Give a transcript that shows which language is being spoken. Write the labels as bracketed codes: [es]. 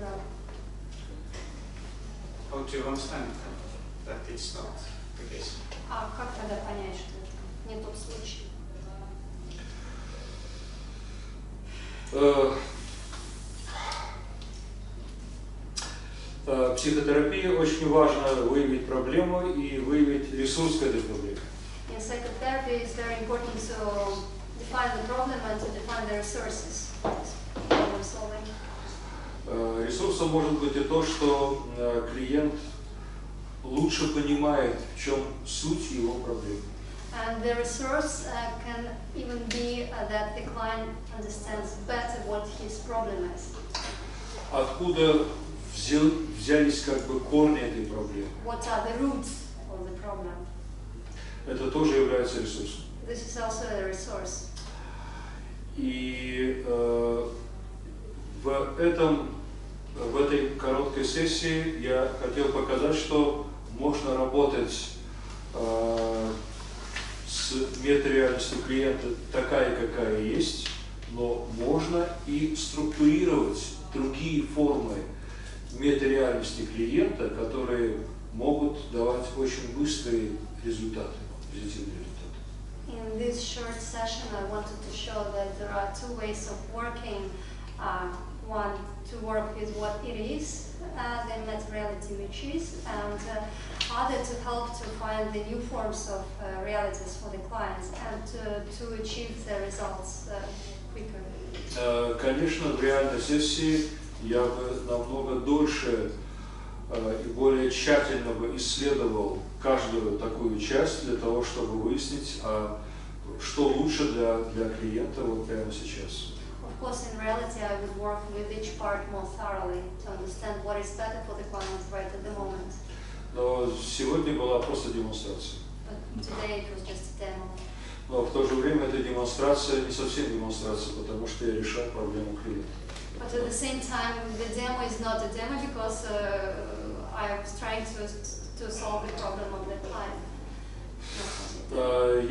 [en] Yes, how do you understand that it's not the case? [ru] А как тогда понять, что это не тот случай? В психотерапии очень важно выявить проблему и выявить ресурс к этой проблеме. [en] In psychotherapy, it's very important to define the problem and to define the resources for solving. [ru] Ресурсом может быть и то, что клиент лучше понимает, в чем суть его проблемы. [en] And the resource can even be that the client understands better what his problem is. [ru] Откуда взялись как бы корни этой проблемы? [en] What are the roots of the problem? [ru] Это тоже является ресурсом. [en] This is also a resource. [ru] И в этой короткой сессии я хотел показать, что можно работать с метареальностью клиента такая, какая есть, но можно и структурировать другие формы метареальности клиента, которые могут давать очень быстрые результаты, позитивные результаты. [en] In this short session I wanted to show that there are two ways of working. One, to work with what it is, the materiality which is, and other, to help to find the new forms of realities for the clients and to achieve the results quicker. [ru] Конечно, в реальной сессии я бы намного дольше и более тщательно бы исследовал каждую такую часть для того, чтобы выяснить, а что лучше для клиента вот прямо сейчас. [en] Of course, in reality, I would work with each part more thoroughly to understand what is better for the client right at the moment. [ru] Но сегодня была просто демонстрация. [en] But today it was just a demo. [ru] Но в то же время это демонстрация, не совсем демонстрация, потому что я решал проблему клиента. [en] But at the same time, the demo is not a demo because I was trying to solve the problem of the client.